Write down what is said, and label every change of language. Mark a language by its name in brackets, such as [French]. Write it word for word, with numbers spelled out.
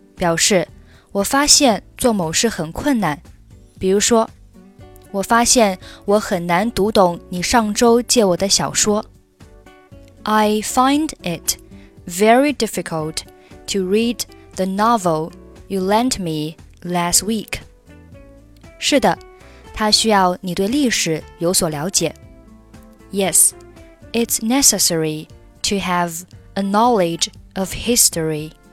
[Chinese] 表示我发现做某事很困难，比如说，我发现我很难读懂你上周借我的小说。 [English] I find it very difficult to read the novel you lent me last week. [Chinese] 是的，它需要你对历史有所了解。 [English] Yes, it's necessary to have a knowledge of history.